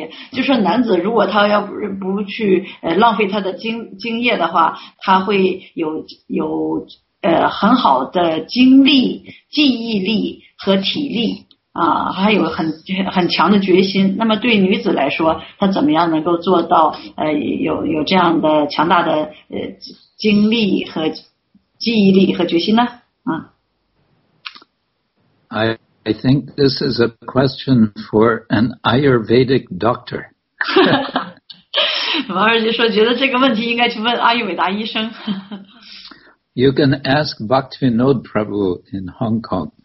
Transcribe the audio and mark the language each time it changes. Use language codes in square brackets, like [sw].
[zh] 就是男子，如果他要不去浪费他的精液的话，他会有很好的精力、记忆力和体力。还有很强的决心。那么对女子来说，她怎么样能够做到有这样的强大的精力和记忆力和决心呢？ [en] I think this is a question for an Ayurvedic doctor. [zh] 王二姐说，觉得这个问题应该去问阿育伟达医生。 [en] You can ask Bhaktivinod Prabhu in Hong Kong.